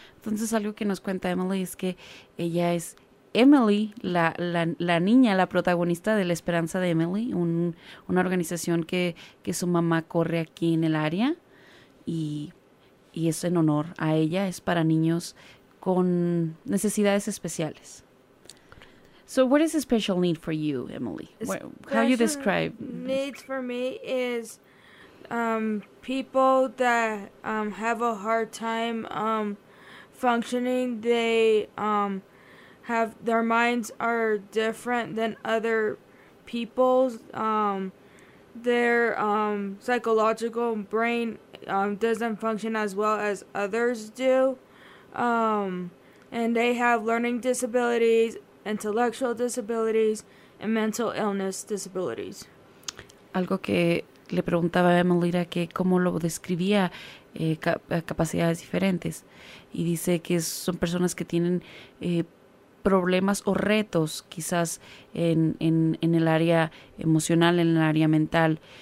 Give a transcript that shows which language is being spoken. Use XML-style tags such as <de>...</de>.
<es>Entonces, algo que nos cuenta Emily es que ella es Emily, la niña, la protagonista de La Esperanza de Emily, una organización que su mamá corre aquí en el área, y es en honor a ella, es para niños con necesidades especiales.</es> <en>So what is a special need for you, Emily? How do you describe? Needs for me is people that have a hard time functioning. They have, their minds are different than other people's. Their psychological brain doesn't function as well as others do. And they have learning disabilities, intellectual disabilities, and mental illness disabilities.</en> <es>Algo que le preguntaba a Emily era que cómo lo describía, capacidades diferentes. Y dice que son personas que tienen problemas o retos quizás en el área emocional, en el área mental.</es>